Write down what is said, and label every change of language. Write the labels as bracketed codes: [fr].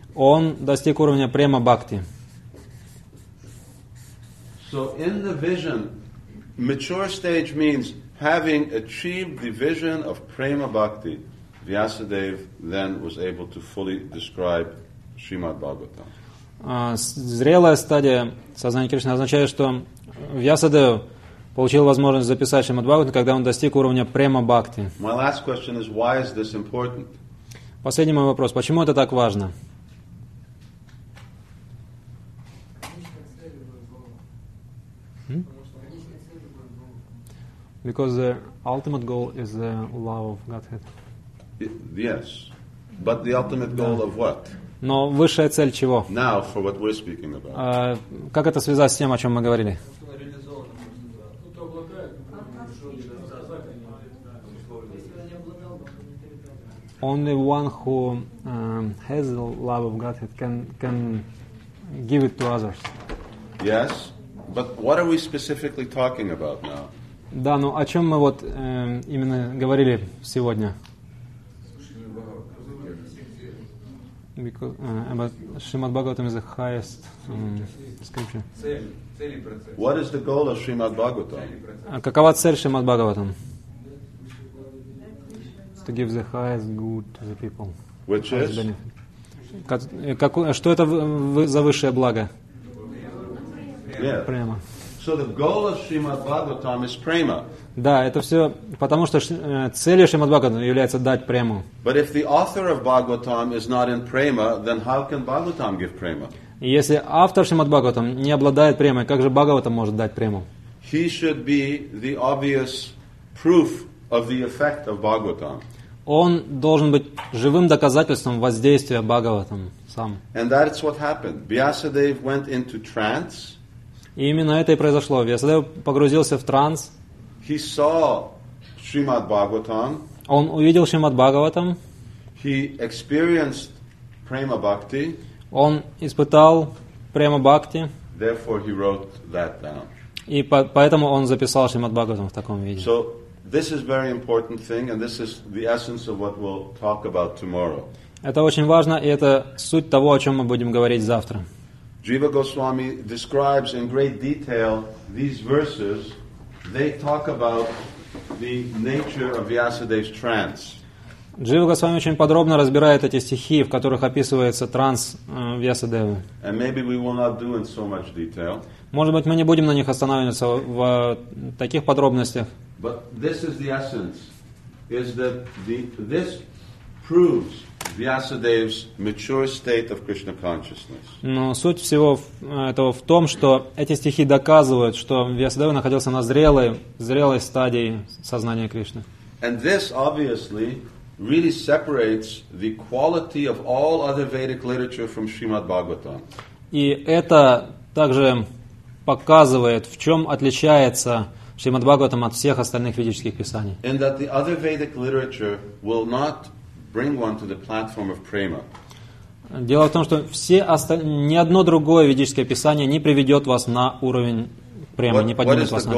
[ru] Он достиг уровня према бхакти. [en] So in the vision, mature stage means having achieved the vision of prema bhakti, Vyasadev then was able to fully describe Srimad Bhagavatam. [ru] Зрелая стадия сознания Кришны означает, что Vyasadev получил возможность записать Srimad Bhagavatam, когда он достиг уровня prema bhakti. [en] My last question is, why is this important? [ru] Последний мой вопрос, почему это так важно? [en] Because the ultimate goal is the love of Godhead. Yes, but the ultimate goal of what? [ru] Но высшая цель чего? [en] Now for what we're speaking about. [ru] Как это связать с тем, о чем мы говорили? [en] Only one who has the love of Godhead can give it to others. Yes, but what are we specifically talking about now? [ru] Да, но о чем мы вот именно говорили сегодня? [en] Because about Srimad Bhagavatam is the highest scripture. What is the goal of Srimad Bhagavatam? [ru] Какова цель Srimad Bhagavatam? [en] To give the highest good to the people. Which is? [ru] Что это за высшее благо? Прямо. [en] So the goal of Srimad Bhagavatam is prema. [ru] Да, это все потому, что целью Srimad Bhagavatam является дать прему. [en] But if the author of Bhagavatam is not in prema, then how can Bhagavatam give prema? [ru] Если автор Srimad Bhagavatam не обладает премой, как же Бхагаватам может дать прему? [en] He should be the obvious proof of the effect of Bhagavatam. [ru] Он должен быть живым доказательством воздействия Бхагаватам сам. [en] And that's what happened. Vyasadev went into trance. [ru] И именно это и произошло. Vyasadeva погрузился в транс. [en] He saw Srimad Bhagavatam. [ru] Он увидел Srimad Bhagavatam. [en] He experienced prema bhakti. [ru] Он испытал prema bhakti. [en] Therefore he wrote that down. [ru] И поэтому он записал Srimad Bhagavatam в таком виде. [en] So this is very important thing and this is the essence of what we'll talk about tomorrow. [ru] Это очень важно и это суть того, о чем мы будем говорить завтра. [en] Jiva Goswami describes in great detail these verses. They talk about the nature of Vyasadeva's trance. [ru] Джива Госвами очень подробно разбирает эти стихи, в которых описывается транс Вьясадевы. [en] And maybe we will not do in so much detail. [ru] Может быть, мы не будем на них останавливаться в таких подробностях. [en] But this is the essence, is that this proves Vyasadeva's mature state of Krishna consciousness. [ru] Но суть всего этого в том, что эти стихи доказывают, что Вьясадева находился на зрелой стадии сознания Кришны. [en] And this obviously really separates the quality of all other Vedic literature from Srimad Bhagavatam. [ru] И это также показывает, в чем отличается Шримад Бхагаватам от всех остальных ведических писаний. [en] In that the other Vedic literature will not bring one to the platform of prema. [ru] Дело в том, что ни одно другое ведическое писание не приведет вас на уровень према, не поднимет вас на